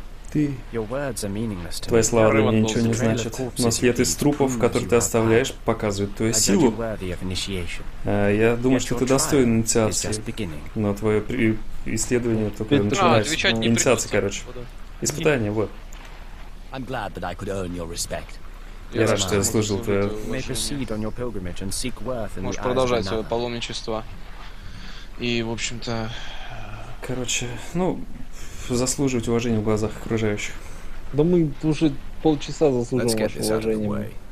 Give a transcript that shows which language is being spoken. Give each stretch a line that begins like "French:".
Russian: Ты. Твои слова для меня ничего не значат. Но свет из трупов, который ты оставляешь, показывает твою силу. Я думаю, что ты достоин инициации. Но твое исследование только начинается. Инициация, короче. Испытание, вот.
English: I'm glad that I could earn your respect.
Russian: Я рад, что я заслужил твое. Можешь продолжать свое паломничество. И, в общем-то... Короче, ну, заслуживать уважения в глазах окружающих. Да мы уже полчаса заслуживаем вашего уважения.